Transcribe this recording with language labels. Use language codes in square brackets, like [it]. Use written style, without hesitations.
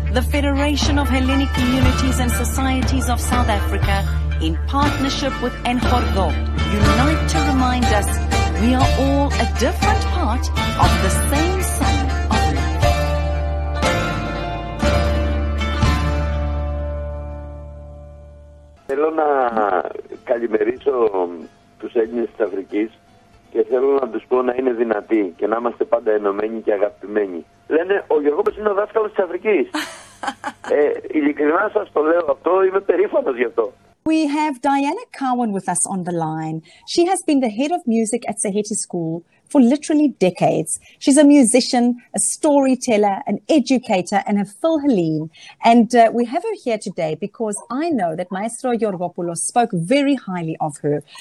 [en] Federation of Hellenic Communities and Societies of South Africa, in partnership with Enhordo, unite to remind us we are all a different part of the same sun of life. [el] Θέλω να καλημερίσω τους Έλληνες της Αφρικής και θέλω να τους πω να είναι δυνατοί και να είμαστε πάντα ενωμένοι και αγαπημένοι. Λένε, ο Γιώργος είναι ο δάσκαλος της Αφρικής. Ειλικρινά σας το λέω αυτό, είμαι περήφανος γι' αυτό. [en] We have Diana Carwin with us on the line. She has been the head of music at Sahiti School for literally decades. She's a musician, a storyteller, an educator, and a Philhellene. And we have her here today because I know that Maestro Georgopoulos spoke very highly of her.